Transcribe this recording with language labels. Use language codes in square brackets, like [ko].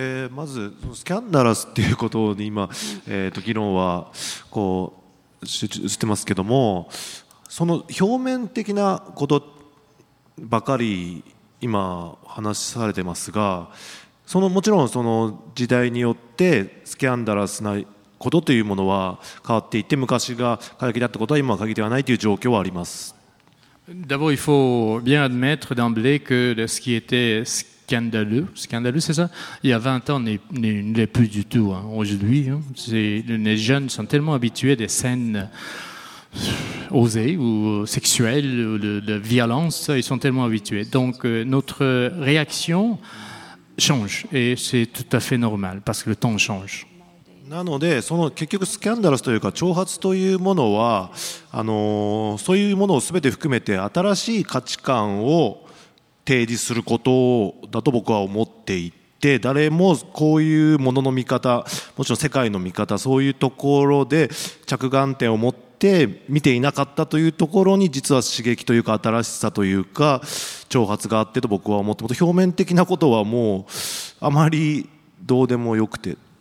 [ja] まずそのスキャンダラスっていうことに今、議論はこうしてますけども、その表面的なことばかり今話されてますが、そのもちろんその時代によってスキャンダラスなことというものは変わっていて、昔が過激だったことは今は過激ではないという状況はあります。 [fr] D'abord, il faut bien admettre d'emblée que ce qui était scandaleux, c'est ça, il y a 20 ans, n'est plus du tout aujourd'hui. Les jeunes sont tellement habitués des scènes osées ou sexuelles ou de violence, ils sont tellement habitués. Donc notre réaction change et c'est tout à fait normal parce que le temps change. [ja] なので、その結局スキャンダラスというか挑発というものは、そういうものを全て含めて新しい価値観を提示することだと僕は思っていて、誰もこういうものの見方、もちろん世界の見方、そういうところで着眼点を持って見ていなかったというところに、実は刺激というか新しさというか挑発があってと僕は思って、もっと表面的なことはもうあまりどうでもよくて、